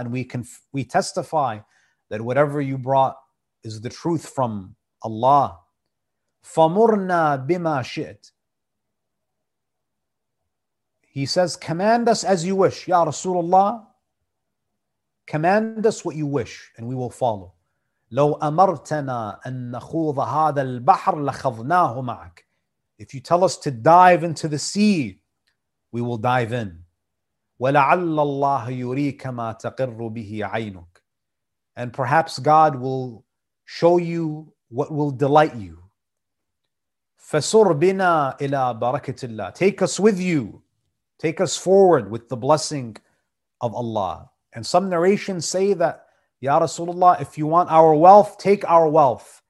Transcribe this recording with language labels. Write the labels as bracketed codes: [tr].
[en] And we testify that whatever you brought is the truth from Allah. [ar] فَمُرْنَا بِمَا شِئْتَ. [en] He says, command us as you wish. Ya Rasulullah, command us what you wish and we will follow. [ar] لو أمرتنا أن نخوض هذا البحر لخضناه معك. [en] If you tell us to dive into the sea, we will dive in. [ar] ولعل الله يريك ما تقر به عينك. [en] And perhaps God will show you what will delight you. [ar] فسر بنا إلى بركة الله. [en] Take us with you. Take us forward with the blessing of Allah. And some narrations say that, Ya Rasulullah, if you want our wealth, take our wealth.